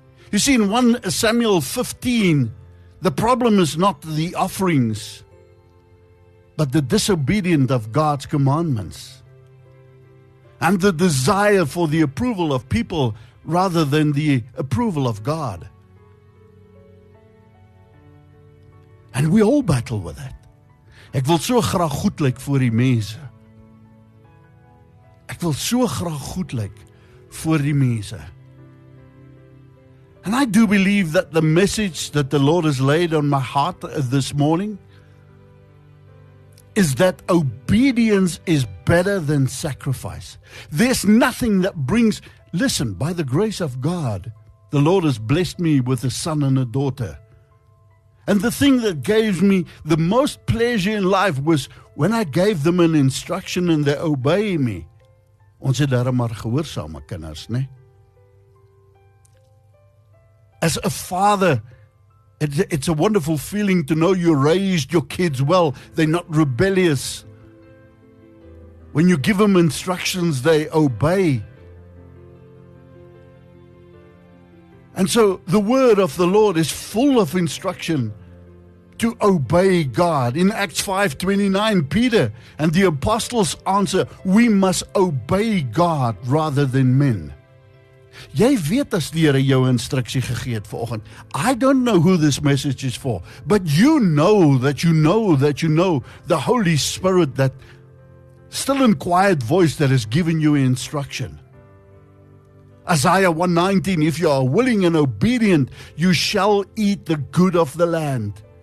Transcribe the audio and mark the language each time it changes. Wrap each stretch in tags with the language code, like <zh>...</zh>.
<en>You see, in 1 Samuel 15, the problem is not the offerings, but the disobedient of God's commandments and the desire for the approval of people rather than the approval of God. And we all battle with that.</en> <af>Ek wil so graag goed lyk voor die mense. Ek wil so graag goed lyk voor die mense.</af> <en>And I do believe that the message that the Lord has laid on my heart this morning is that obedience is better than sacrifice. There's nothing that brings, listen, by the grace of God, the Lord has blessed me with a son and a daughter. And the thing that gave me the most pleasure in life was when I gave them an instruction and they obey me.</en> <af>Ons het daar maar gehoorsame kinders, né?</af> <en>As a father, it's a wonderful feeling to know you raised your kids well. They're not rebellious. When you give them instructions, they obey. And so the word of the Lord is full of instruction to obey God. In Acts 5:29, Peter and the apostles answer, we must obey God rather than men.</en> <af>Jy weet as die Here jou instruksie gegee het vanoggend.</af> <en>I don't know who this message is for, but you know that you know that you know the Holy Spirit, that still and quiet voice that has given you instruction. Isaiah 1:19, if you are willing and obedient, you shall eat the good of the land.</en>